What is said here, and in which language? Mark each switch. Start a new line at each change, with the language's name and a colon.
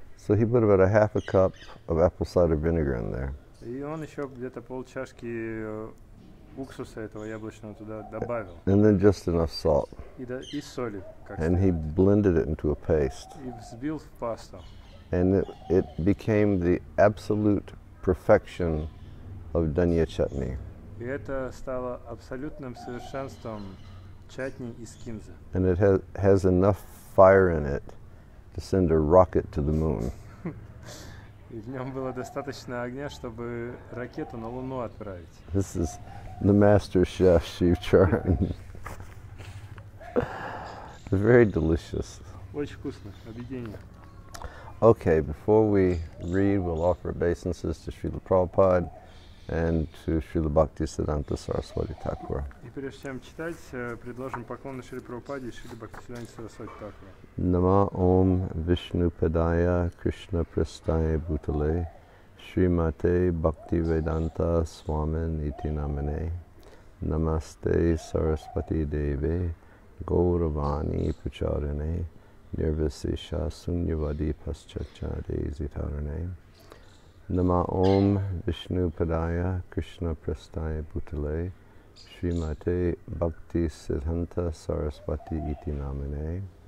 English: So he put about a half a cup of apple cider vinegar in there.
Russian: И он еще где-то пол чашки уксуса этого яблочного туда добавил.
English: And then just enough salt.
Russian: И соли.
English: And he blended it into a paste.
Russian: И взбил в пасту.
English: And it became the absolute perfection of dhania chutney.
Russian: И это стало абсолютным совершенством чатни из кинзы.
English: And it has enough fire in it to send a rocket to the moon.
Russian: И в нем было достаточно огня, чтобы ракету на Луну отправить.
English: This is the master chef, Shiv Charan. Very delicious.
Russian: Очень вкусно, объедение.
English: Okay, before we read, we'll offer obeisances to Srila Prabhupada and to Srila Bhaktisiddhanta Saraswati Thakura.
Russian: И прежде чем читать, предложим поклоны Шри Прабхупаде и Шри Бхактисиддханте Сарасвати Такура.
Sanskrit: Нама Ом Вишну Падая Кришна Прастая Бутале Шри Мате Бхакти Веданта Свамин Ити Намине Намасте Сарасвати Деве Гауравани Пучарине Нирвисиша Суньявади Пасчачаде Зитаране Нама Ом Вишну Падая Кришна Прастая Бутале Shrimate Bhakti Siddhanta Saraswati Iti Namine